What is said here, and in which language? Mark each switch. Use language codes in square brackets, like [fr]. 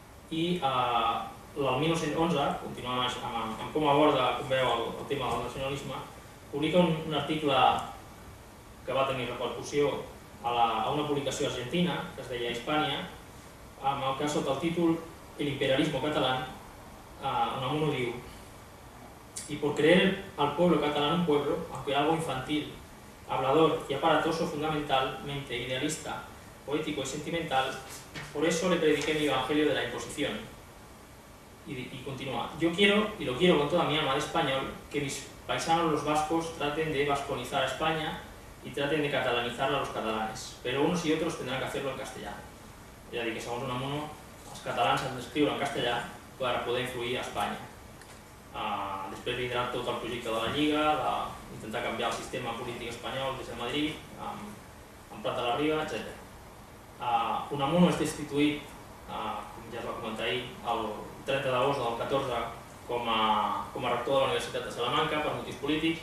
[ca] i el 1911, continuant amb com aborda, com veu, el tema del nacionalisme, publica un article que va tenir repercussió a una publicació argentina, que es deia Hispània, amb el cas sota el títol El imperialismo catalán, Unamuno diu: [es] y por creer al pueblo catalán un pueblo, aunque algo infantil, hablador y aparatoso fundamentalmente idealista, poético y sentimental, por eso le prediqué mi evangelio de la imposición. Y continúa: yo quiero, y lo quiero con toda mi alma de español, que mis paisanos los vascos traten de vasconizar a España y traten de catalanizar a los catalanes, pero unos y otros tendrán que hacerlo en castellano. Ya di que según Unamuno, los catalanes han de escribir en castellano para poder influir a España. [ca] Després vindrà tot el projecte de la Lliga, d'intentar canviar el sistema polític espanyol des de Madrid, amb Prat a la Riba, etc. Unamuno és destituït, com ja es va comentar ahir, el 30 d'agost del 14 com a rector de la Universitat de Salamanca per motius polítics.